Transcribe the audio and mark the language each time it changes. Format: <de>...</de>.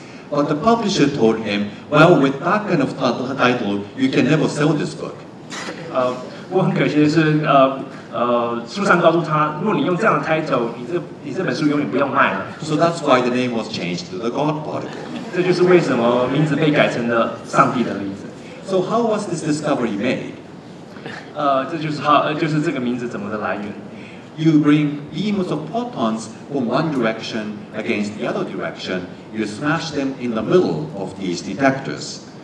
<en>But the publisher told him, well, with that kind of title, you can never sell this book.</en> <zh>不过很可惜的是，书上告诉他，如果你用这样的 title, 你这本书永远不用卖了。</zh> <en>So that's why the name was changed to the God Particle.</en> <zh>这就是为什么名字被改成了上帝的粒子。</zh> <en>So how was this discovery made?</en> <zh>这就是这个名字怎么的来源。</zh> <en>You bring beams of photons from one direction against the other direction. You smash them in the middle of these detectors.</en>